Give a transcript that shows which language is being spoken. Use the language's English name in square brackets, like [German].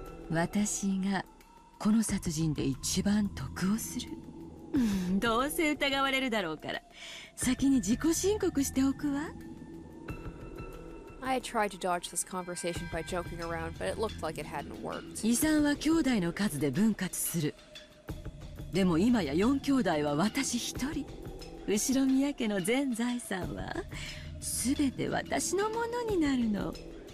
[Japanese] 私がこの殺人で一番得をする。どうせ疑われるだろうから、先に自己申告しておくわ。I [English] had tried to dodge this conversation by joking around, but it looked like it hadn't worked. [Japanese] 遺産は兄弟の数で分割する。でも今や4兄弟は私1人。後宮家の全財産は全て私のものになるの。